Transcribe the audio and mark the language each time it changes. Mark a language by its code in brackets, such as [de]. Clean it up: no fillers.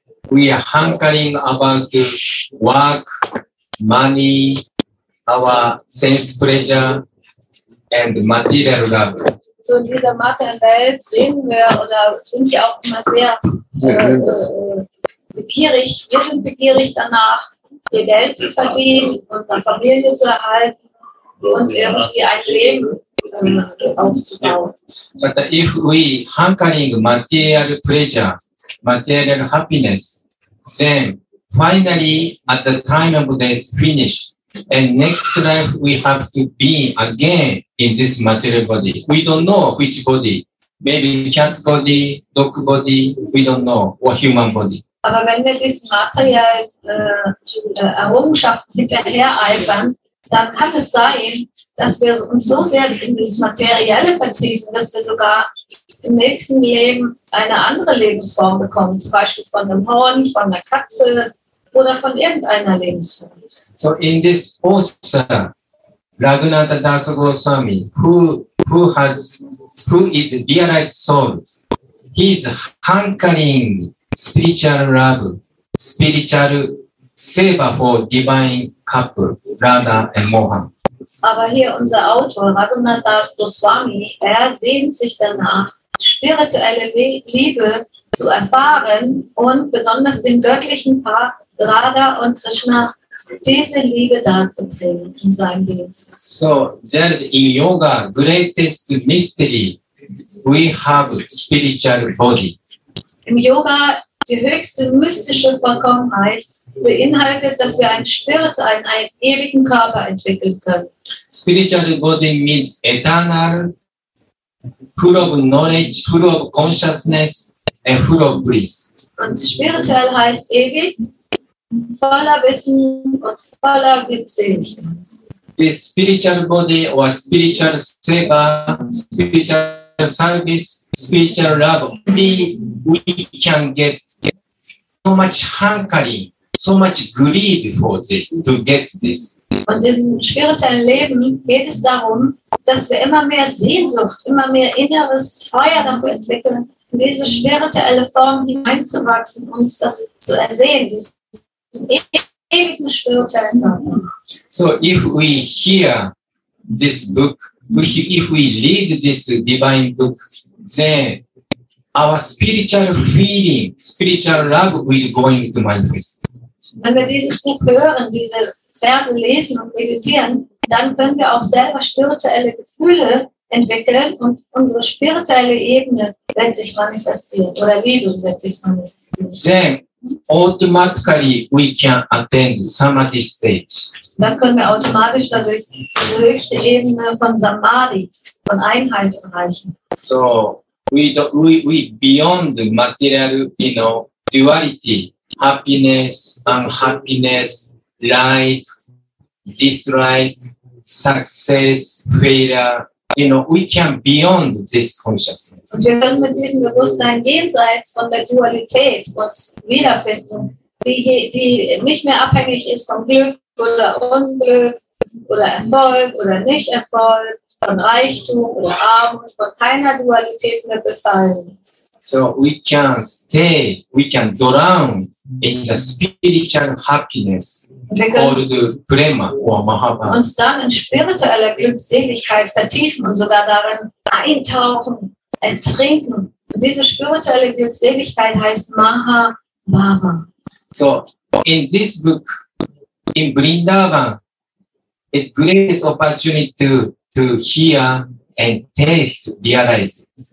[en] We are hankering about the work, money, our sense pleasure, and material love. [de] So in dieser materiellen Welt sehen wir oder sind wir auch immer sehr begierig. Wir sind begierig danach, ihr Geld zu verdienen und eine Familie zu erhalten und irgendwie ein Leben. [en] But if we hankering material pleasure, material happiness, then finally at the time of death finish, and next life we have to be again in this material body. We don't know which body, maybe cat's body, dog body, we don't know, or human body. [de] Aber wenn wir diesen materiellen Errungenschaften hinterhereifern, dann kann es sein, dass wir uns so sehr in das Materielle vertiefen, dass wir sogar im nächsten Leben eine andere Lebensform bekommen, zum Beispiel von einem Horn, von einer Katze oder von irgendeiner Lebensform. [en] So in this author, Raghunatha Das Goswami, who is the realized soul, he is hankering spiritual love, spiritual seva for divine couple, radha and moha. [de] Aber hier unser Autor, Raghunatha Das Goswami, er sehnt sich danach, spirituelle Liebe zu erfahren und besonders dem göttlichen Paar Radha und Krishna diese Liebe darzubringen in seinem Leben. [en] So, there is in yoga greatest mystery, we have spiritual body. [de] Im Yoga die höchste mystische Vollkommenheit beinhaltet, dass wir einen spirituellen, einen ewigen Körper entwickeln können. [en] Spiritual body means eternal, full of knowledge, full of consciousness, and full of bliss. [de] Und spirituell heißt ewig, voller Wissen und voller Glückseligkeit. [en] This spiritual body or spiritual seva, spiritual service, spiritual love, we can get so much hankering, so much greed for this, to get this. [de] Und im spirituellen Leben geht es darum, dass wir immer mehr Sehnsucht, immer mehr inneres Feuer dafür entwickeln, in diese spirituelle Form hineinzuwachsen, uns das zu ersehen, diesen ewigen spirituellen Körper. [en] So if we hear this book, if we read this divine book, then our spiritual feeling, spiritual love will going to manifest. [de] Wenn wir dieses Buch hören, diese Verse lesen und meditieren, dann können wir auch selber spirituelle Gefühle entwickeln und unsere spirituelle Ebene wird sich manifestieren oder Liebe wird sich manifestieren. [en] Then automatically we can attain the Samadhi stage. [de] Dann können wir automatisch dadurch die höchste Ebene von Samadhi, von Einheit erreichen. [en] So we beyond the material, you know, duality. Happiness, unhappiness, life, dislike, success, failure, you know, we can beyond this consciousness. [de] Und wir können mit diesem Bewusstsein jenseits von der Dualität uns wiederfinden, die nicht mehr abhängig ist von Glück oder Unglück oder Erfolg oder Nicht-Erfolg, von Reichtum oder Armut, von keiner Dualität mehr befallen ist. [en] So we can stay, we can drown in the spiritual happiness or the prema or mahabha. [de] Uns dann in spiritueller Glückseligkeit vertiefen und sogar darin eintauchen, ertrinken. Und diese spirituelle Glückseligkeit heißt mahabhava. [en] So in this book, in Vrindavan, a greatest opportunity to hear and taste, realize.